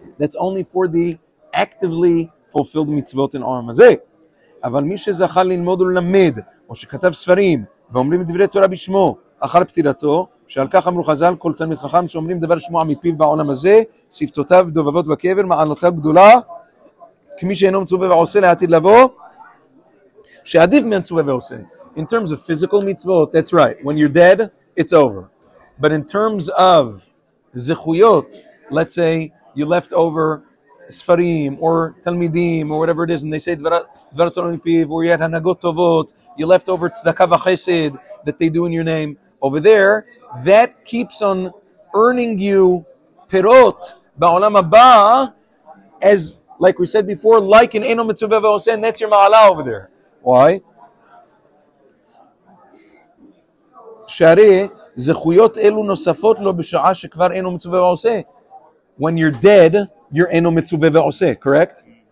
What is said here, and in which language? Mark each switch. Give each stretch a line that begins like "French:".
English: That's only for the actively fulfilled מצוות in העולם הזה.
Hebrew: אבל מי שזכה ללמוד וללמד, או שכתב ספרים, ואומרים דברי תורה בשמו, אחר פטירתו, שעל כך אמרו חזל, כל תלמיד חכם שאומרים דבר שמוע מפיו בעולם הזה, ספתותיו דובבות בקבר, מעלותיו גדולה, כמי שאינו מצווה ועושה לעתיד לבוא, שעדיף מהמצווה ועושה.
English: In terms of physical mitzvot, that's right. When you're dead, it's over. But in terms of zechuyot, let's say you left over sfarim or talmidim or whatever it is, and they say dvar Torah mipiv, or you had hanagot tovot, you left over tzedakah v'chesed that they do in your name over there, that keeps on earning you perot ba'olam haba, as like we said before, like in eino mitzuveh ve'oseh, and that's your ma'ala over there. Why?
Hebrew: שהרי זכויות אלו נוספות לו בשעה שכבר אינו מצווה ועושה.
English: When you're dead, you're אינו מצווה ועושה, correct?